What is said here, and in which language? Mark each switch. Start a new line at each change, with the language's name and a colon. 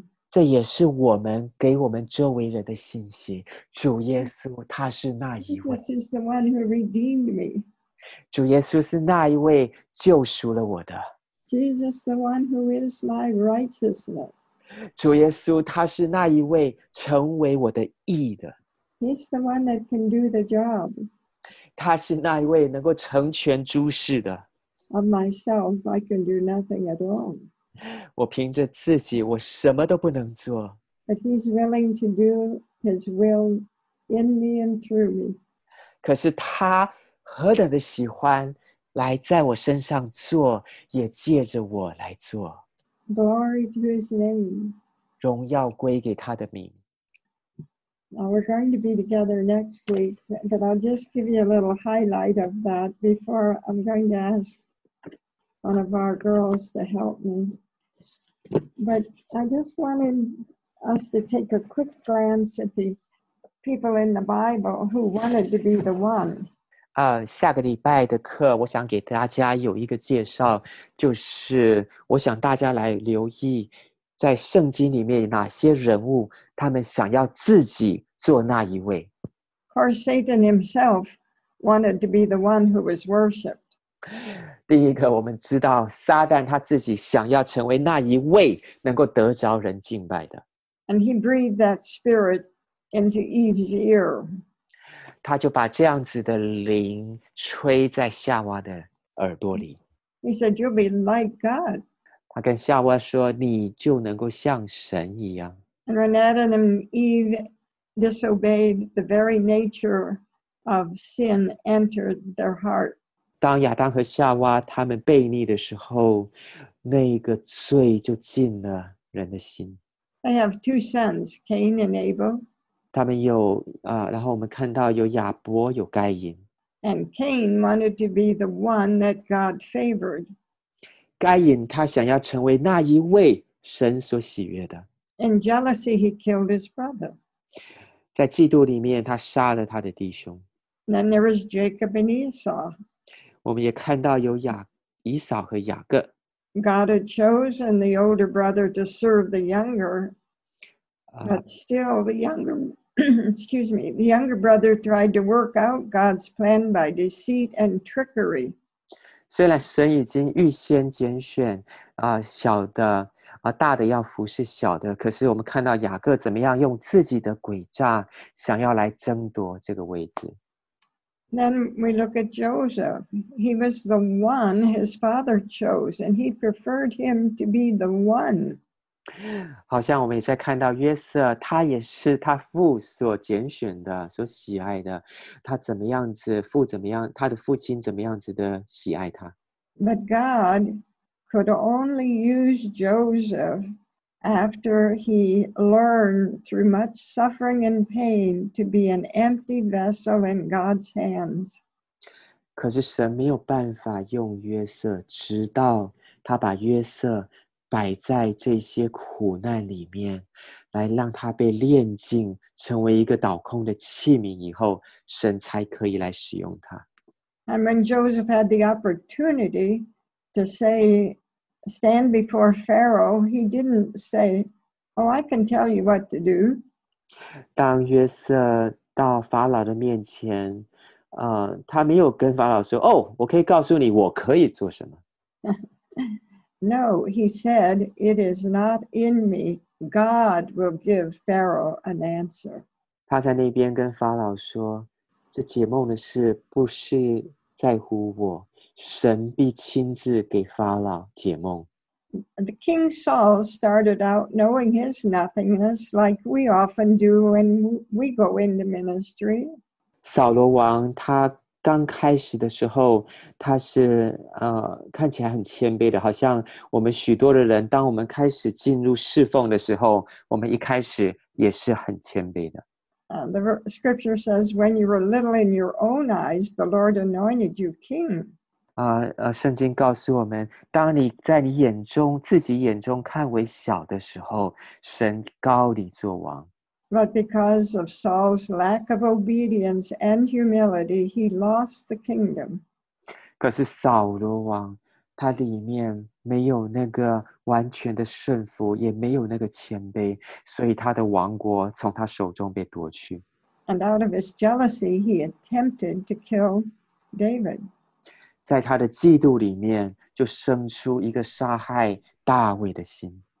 Chinese: 这也是我们给我们周围人的信息，主耶稣他是那一位。
English: Jesus is the one who redeemed me.
Chinese: 主耶稣是那一位救赎了我的。
English: Jesus, the one who is my righteousness.
Chinese: 主耶稣，他是那一位成为我的义的。
English: He's the one that can do the job.
Chinese: 他是那一位能够成全诸事的。
English: Of myself, I can do nothing at all.
Chinese: 我凭着自己，我什么都不能做。
English: But he's willing to do his will in me and through me.
Chinese: 可是他何等的喜欢来在我身上做，也借着我来做。
English: Glory to His name.
Chinese: 荣耀归给他的名。
English: Now we're going to be together next week, but I'll just give you a little highlight of that before I'm going to ask one of our girls to help me. But I just wanted us to take a quick glance at the people in the Bible who wanted to be the one.
Chinese: 下个礼拜的课我想给大家有一个介绍，就是我想大家来留意在圣经里面哪些人物他们想要自己做那一位。
English: Of course, Satan himself wanted to be the one who was worshipped.
Chinese: 第一个我们知道撒旦他自己想要成为那一位能够得着人敬拜的。
English: And he breathed that spirit into Eve's ear.
Chinese: 他就把这样子的灵吹在夏娃的耳朵里。
English: He said, "You'll be like God."
Chinese: 他跟夏娃说，你就能够像神一样。
English: And when Adam and Eve disobeyed, the very nature of sin entered their heart.
Chinese: 当亚当和夏娃他们悖逆的时候，那个罪就进了人的心。
English: They have two sons, Cain and Abel.
Chinese: 他们有然后我们看到有亚伯有该隐。
English: And Cain wanted to be the one that God favored.
Chinese: 该隐他想要成为那一位神所喜悦的。
English: In jealousy, he killed his brother.
Chinese: 在嫉妒里面他杀了他的弟兄。
English: Then there was Jacob and Esau.
Chinese: 我们也看到有以扫和雅各。
English: God had chosen the older brother to serve the younger. But still, the younger brother tried to work out God's plan by deceit and trickery.
Chinese: 虽然神已经预先拣选小的大的要服侍小的，可是我们看到雅各怎么样用自己的诡诈想要来争夺这个位置。
English: Then we look at Joseph. He was the one his father chose, and he preferred him to be the one.
Chinese: 好像我们也在看到约瑟，他也是他父所拣选的，所喜爱的。他怎么样子，父怎么样，他的父亲怎么样子的喜爱他。
English: But God could only use Joseph after he learned through much suffering and pain to be an empty vessel in God's hands.
Chinese: 可是神没有办法用约瑟，直到他把约瑟摆在这些苦难里面，来让他被炼净，成为一个倒空的器皿以后，神才可以来使用他。
English: And when Joseph had the opportunity to stand before Pharaoh, he didn't say, Oh, I can tell you what to do.
Chinese: 当约瑟到法老的面前，他没有跟法老说，哦，我可以告诉你我可以做什么。
English: No, he said, it is not in me. God will give Pharaoh an answer.
Chinese: 他在那边跟法老说，这解梦的事不是在乎我，神必亲自给法老解梦。
English: The King Saul started out knowing his nothingness, like we often do when we go into ministry.
Chinese: 扫罗王他刚开始的时候，他是看起来很谦卑的，好像我们许多的人，当我们开始进入侍奉的时候，我们一开始也是很谦卑的。
English: The scripture says, when you were little in your own eyes, the Lord anointed you king.
Chinese: 圣经告诉我们，当你在你眼中，自己眼中看为小的时候，神高你作王。
English: But because of Saul's lack of obedience and humility, he lost the kingdom.
Chinese: 可是扫罗王，他里面没有那个完全的顺服，也没有那个谦卑，所以他的王国从他手中被夺去。
English: And out of his jealousy, he attempted to kill David.
Chinese: 在他的嫉妒里面，就生出一个杀害大卫的心。